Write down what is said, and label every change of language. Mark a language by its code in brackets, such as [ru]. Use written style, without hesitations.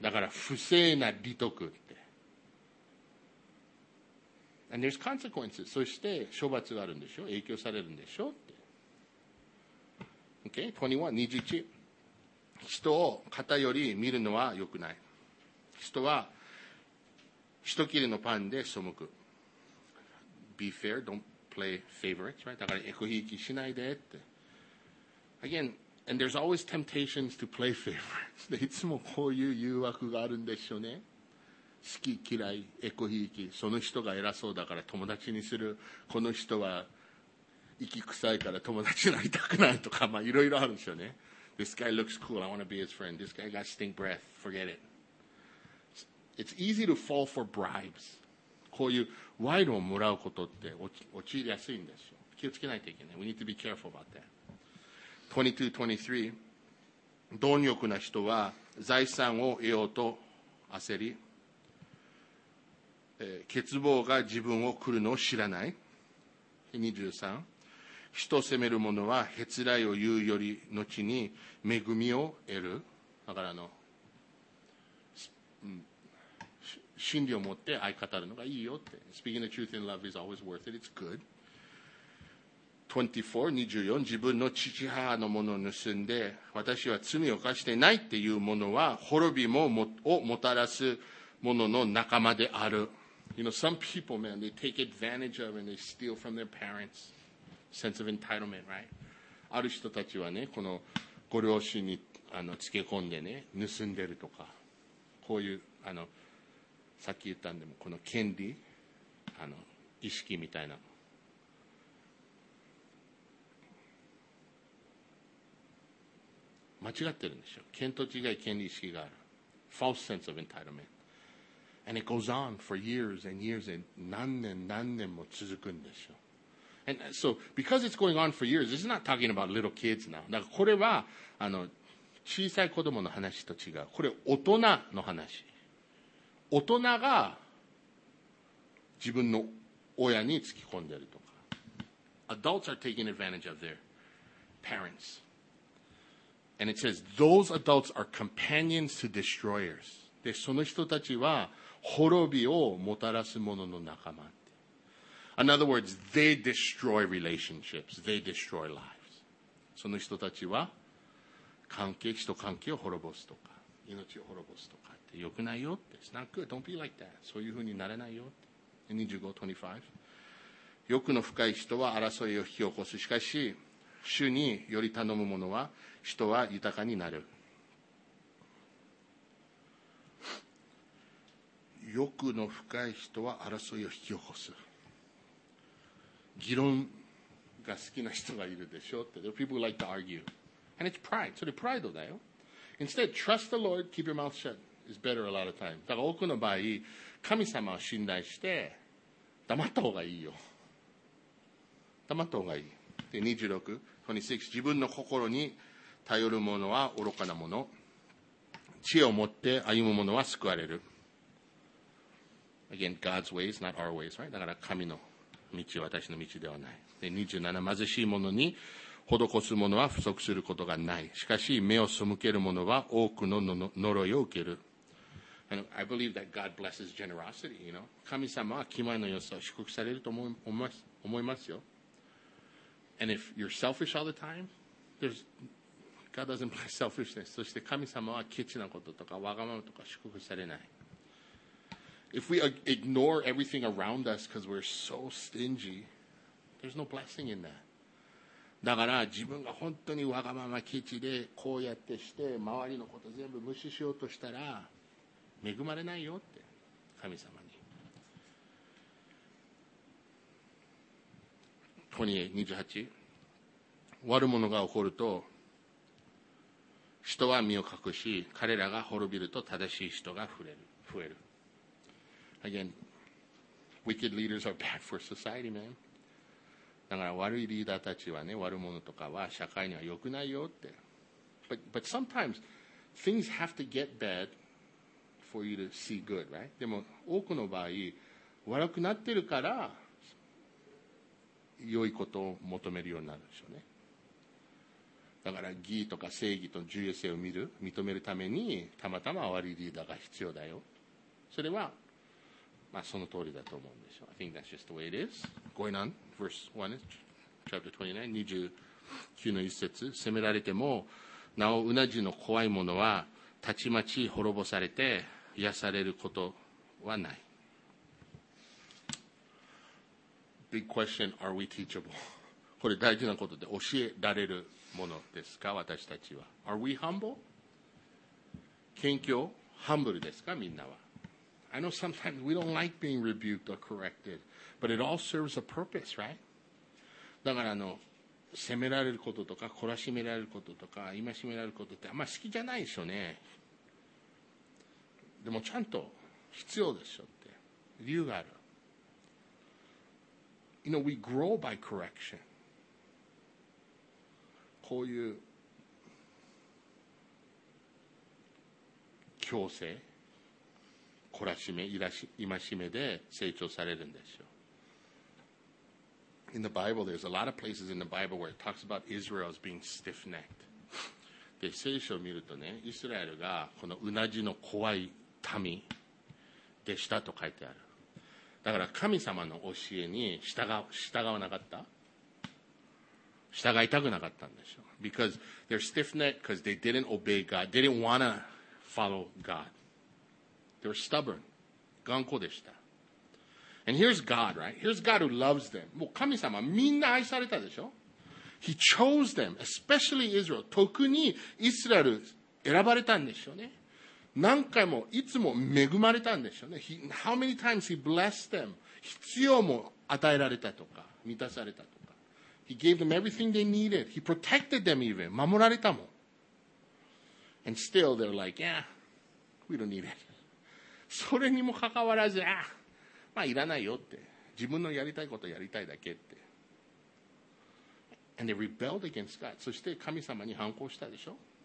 [ja] だから不正な利得って。 [en] And there's consequences. [ja] そして処罰があるんでしょ、影響されるんでしょって。 [en] Okay? 21, 21。 [ja] 人を偏り見るのは良くない。人は一切れのパンで背く。 [en] Be fair, don't play favorites, right? [ja] だからエコひいきしないでって。 [en] Again, and there's always temptations to play favorites. [ja] で、いつもこういう誘惑があるんでしょうね。好き嫌いエコひいき、その人が偉そうだから友達にする、この人は息臭いから友達になりたくないとか、まあいろいろあるんでしょうね。 [en] This guy looks cool, I want to be his friend. This guy got stink breath, forget it. It's easy to fall for bribes. [ja] こういう賄賂をもらうことって陥りやすいんですよ。気をつけないといけない。 [en] We need to be careful about that. [ja] 22-23 貪欲な人は財産を得ようと焦り、欠乏が自分を来るのを知らない。 23、人を責める者はへつらいを言うより後に恵みを得る。だから真理を持って愛語るのがいいよって。 [en] Speaking the truth in love is always worth it. It's good. [ja] 24、24、自分の父母のものを盗んで私は罪を犯してないっていう者は滅びもをもたらす者の仲間である。 [en] You know, some people, man, they take advantage of and they steal from their parents. Sense of entitlement, right? [ja] ある人たちはね、このご両親につけ込んでね、盗んでるとか、こういうさっき言ったんでも、この権利、意識みたいな。間違ってるんですよ。見当違い権利意識がある。 [en] False sense of entitlement. And it goes on for years and years and [ja] 何年何年も続くんですよ。 [en] And so, because it's going on for years, this is not talking about little kids now. [ja] だからこれは、小さい子供の話と違う。これ大人の話。大人が自分の親に突き込んでるとか。 [en] Adults are taking advantage of their parents. And it says, those adults are companions to destroyers. [ja] で、その人たちは滅びをもたらす者の仲間。 [en] In other words, they destroy relationships. They destroy lives. [ja] その人たちは関係、人関係を滅ぼすとか、命を滅ぼすとかって良くないよって。 [en] It's not good. Don't be like that. [ja] そういう風になれないよって。 25:25。欲の深い人は争いを引き起こす。しかし、主により頼む者は、人は豊かになる。欲の深い人は争いを引き起こす。議論が好きな人がいるでしょって。 [en] There are people who like to argue. And it's pride. [ja] それプライドだよ。 [en] Instead, trust the Lord, keep your mouth shut. It's better a lot of time. [ja] だから多くの場合、神様を信頼して、黙った方がいいよ。黙った方がいい。で、26:26。自分の心に頼る者は愚かな者。知恵を持って歩む者は救われる。 [en] Again, God's ways, not our ways, right? [ja] だから神の。道私の道ではない。で27、貧しい者に施す者は不足することがない。しかし、目を背ける者は多くの呪いを受ける。 [en] And I believe that God blesses generosity, you know? [ja] 神様は気前の良さを祝福されると思いますよ。 [en] And if you're selfish all the time, God doesn't bless selfishness. [ja] そして神様はケチなこととかわがままとか祝福されない。 [en] If we ignore everything around us because we're so stingy, there's no blessing in that. [ja] だから自分が本当にわがままケチでこうやってして周りのこと全部無視しようとしたら恵まれないよって神様に。 28:28。悪者が起こると人は身を隠し、彼らが滅びると正しい人が増える。 [en] Again, wicked leaders are bad for society, man. [ja] だから悪いリーダーたちはね、悪者とかは社会には良くないよって。 [en] But sometimes things have to get bad for you to see good, right? [ja] でも多くの場合、悪くなってるから良いことを求めるようになるでしょうね。だから義とか正義と重要性を認めるためにたまたま悪いリーダーが必要だよ。それはまあ、その通りだと思うんでしょう。 [en] I think that's just the way it is. Going on, verse 1, chapter 29, 29:1節。 [ja] 責められても、なおうなじの怖いものは、たちまち滅ぼされて、癒されることはない。 [en] Big question, are we teachable? [ja] これ大事なことで、教えられるものですか、私たちは。 [en] Are we humble? [ja] 謙虚、humble ですか、みんなは。 [en] I know sometimes we don't like being rebuked or corrected, but it all serves a purpose, right? [ja] だから責められることとか、懲らしめられることとか、戒められることってあんまり好きじゃないでしょうね。でもちゃんと必要でしょって。理由がある。 [en] You know, we grow by correction. [ja] こういう強制。懲らしめ、戒めで成長されるんですよ。 [en] In the Bible, there's a lot of places in the Bible where it talks about Israel as being stiff-necked. [ja] で、聖書を見るとね、イスラエルがこのうなじの怖い民でしたと書いてある。だから神様の教えに従わなかった。従いたくなかったんですよ。 [en] Because they're stiff-necked because they didn't obey God. They didn't want to follow God. They were stubborn. [ja] 頑固でした。 [en] And here's God, right? Here's God who loves them. [ja] もう神様みんな愛されたでしょ? [en] He chose them, especially Israel. [ja] 特にイスラエル選ばれたんでしょうね。何回もいつも恵まれたんでしょうね。 [en] How many times he blessed them? [ja] 必要も与えられたとか、満たされたとか。 [en] He gave them everything they needed. He protected them even. [ja] 守られたもん。 [en] And still they're like, yeah, we don't need it. [ja] それにもかかわらず、ah, まあいらないよって。自分のやりたいことやりたいだけって。 [en] And they rebelled against God. [ja] そして神様に反抗したでしょ。